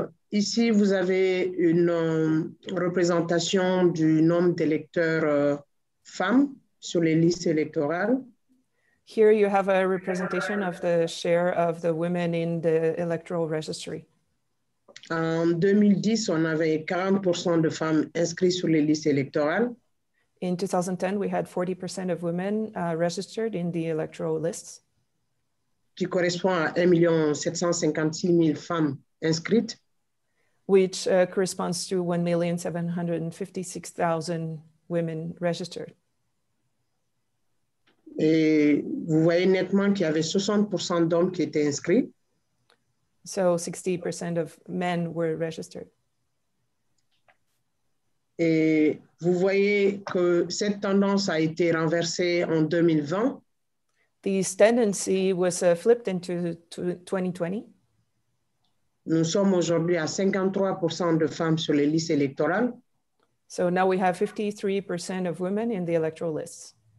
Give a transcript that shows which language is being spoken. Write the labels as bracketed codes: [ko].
[fr] Ici, vous avez une représentation du nombre d'électeurs femmes sur les listes électorales. [en] Here you have a representation of the share of the women in the electoral registry. [fr] En 2010, on avait 40% de femmes inscrites sur les listes électorales. [en] In 2010, we had 40% of women registered in the electoral lists. [fr] Qui correspond à 1,756,000 femmes inscrites. [en] Which corresponds to 1,756,000 women registered. [fr] Et vous voyez nettement qu'il y avait 60% d'hommes qui étaient inscrits. [en] So 60% of men were registered. [fr] Et vous voyez que cette tendance a été renversée en 2020. [en] This tendency was flipped into 2020. [fr] Nous sommes aujourd'hui à 53% de femmes sur les listes électorales. [en] So now we have 53% of women in the electoral lists.